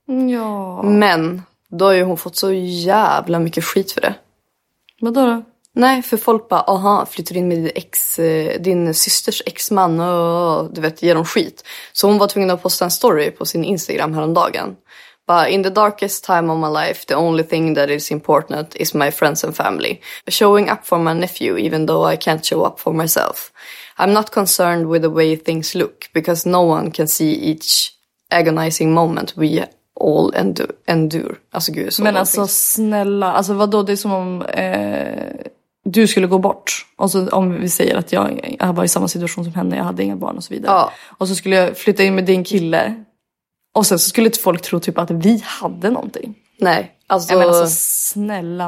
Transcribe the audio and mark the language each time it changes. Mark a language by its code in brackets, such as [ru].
[sv] Ja. Men då har ju hon fått så jävla mycket skit för det. Vadå då? Nej, för folk bara, aha, flyttar in med din systers exman och du vet, ger dem skit. Så hon var tvungen att posta en story på sin Instagram häromdagen. [en] But in the darkest time of my life, the only thing that is important is my friends and family. Showing up for my nephew, even though I can't show up for myself. I'm not concerned with the way things look, because no one can see each agonizing moment we all endure. [sv] Alltså, gud, så men alltså, things. Snälla. Alltså, vadå? Det är som om du skulle gå bort. Och så, om vi säger att jag var i samma situation som henne, jag hade inga barn och så vidare. Ja. Och så skulle jag flytta in med din kille. Och sen så skulle inte folk tro typ att vi hade någonting. Nej, alltså... Jag menar så snälla